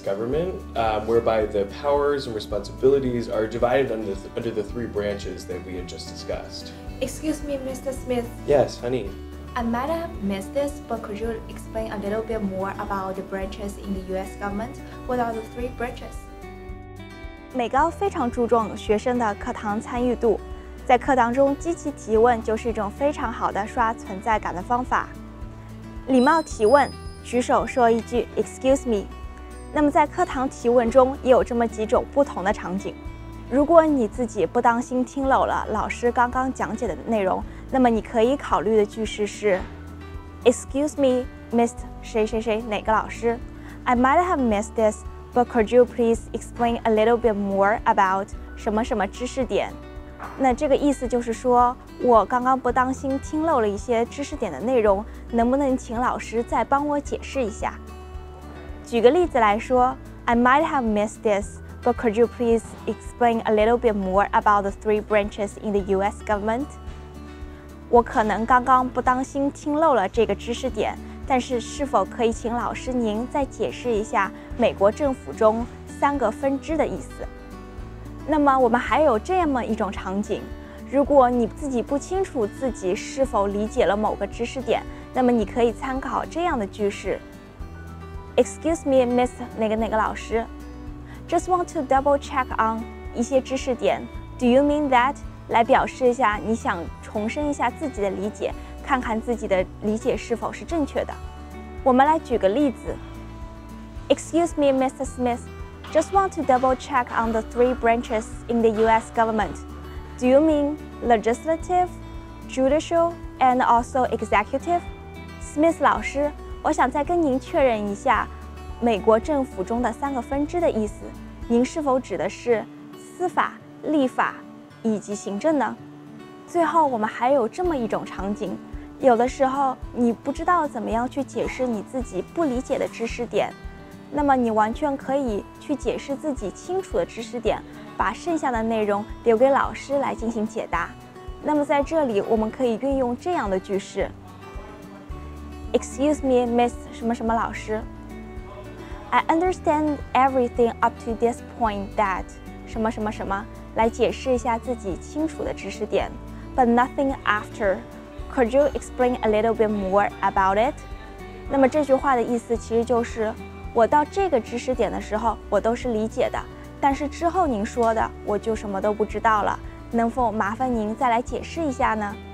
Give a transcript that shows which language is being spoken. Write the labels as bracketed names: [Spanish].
[English] government, whereby the powers and responsibilities are divided under the three branches that we had just discussed. Excuse me, Mr. Smith. Yes, honey. I might have missed this, but could you explain a little bit more about the branches in the U.S. government? What are the three branches? [Chinese] 美高非常注重学生的课堂参与度，在课堂中积极提问就是一种非常好的刷存在感的方法。礼貌提问，举手说一句 [English] excuse me。 [Chinese] 那么在课堂提问中也有这么几种不同的场景，如果你自己不当心听漏了老师刚刚讲解的内容，那么你可以考虑的句式是 [English] excuse me, missed [Chinese] 谁谁谁哪个老师。 [English] I might have missed this, but could you please explain a little bit more about [Chinese] 什么什么知识点。那这个意思就是说，我刚刚不当心听漏了一些知识点的内容，能不能请老师再帮我解释一下？举个例子来说 [English] ，I might have missed this, but could you please explain a little bit more about the three branches in the U.S. government? [Chinese] 我可能刚刚不当心听漏了这个知识点，但是是否可以请老师您再解释一下美国政府中三个分支的意思？那么我们还有这么一种场景，如果你自己不清楚自己是否理解了某个知识点，那么你可以参考这样的句式 [English] Excuse me, Miss [Chinese] 哪个哪个老师， [English] Just want to double check on [Chinese] 一些知识点， [English] Do you mean that? [Chinese] 来表示一下你想重申一下自己的理解，看看自己的理解是否是正确的。我们来举个例子， [English] Excuse me, Mr. SmithJust want to double check on the three branches in the U.S. government. Do you mean legislative, judicial, and also executive? [Chinese] Smith 老师，我想再跟您确认一下美国政府中的三个分支的意思，您是否指的是司法、立法以及行政呢？最后我们还有这么一种场景，有的时候你不知道怎么样去解释你自己不理解的知识点，那么你完全可以去解释自己清楚的知识点，把剩下的内容留给老师来进行解答。那么在这里我们可以运用这样的句式 [English] Excuse me, Miss [Chinese] 什么什么老师， [English] I understand everything up to this point that [Chinese] 什么什么什么，来解释一下自己清楚的知识点， [English] But nothing after. Could you explain a little bit more about it? [Chinese] 那么这句话的意思其实就是，我到这个知识点的时候我都是理解的，但是之后您说的我就什么都不知道了，能否麻烦您再来解释一下呢？